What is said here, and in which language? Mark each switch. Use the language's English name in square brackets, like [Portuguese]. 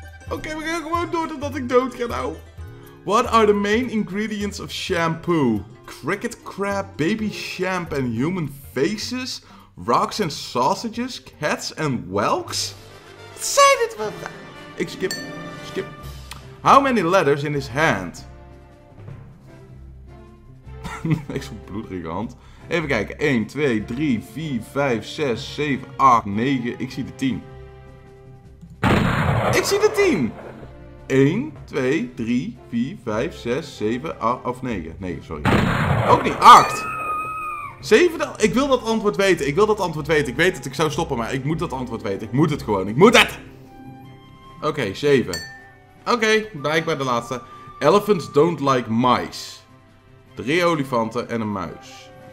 [Dutch] Oké, we gaan gewoon door totdat ik dood ga nou. [English] What are the main ingredients of shampoo? Cricket crab, baby shamp and human faces? Rocks and sausages? Cats and whelks? [Dutch] Wat zijn dit wel? Ik skip. [English] How many letters in his hand? [Dutch] Ik heb zo'n bloederige hand. Even kijken. 1, 2, 3, 4, 5, 6, 7, 8, 9. Ik zie de 10. 1, 2, 3, 4, 5, 6, 7, 8, of 9. 9, sorry. Ook niet. 8. 7. Ik wil dat antwoord weten. Ik weet het. Ik zou stoppen, maar ik moet dat antwoord weten. Ik moet het gewoon. Oké, 7. Oké, blijkbaar de laatste. [English] Elephants don't like mice. [Dutch] 3 olifanten en een muis.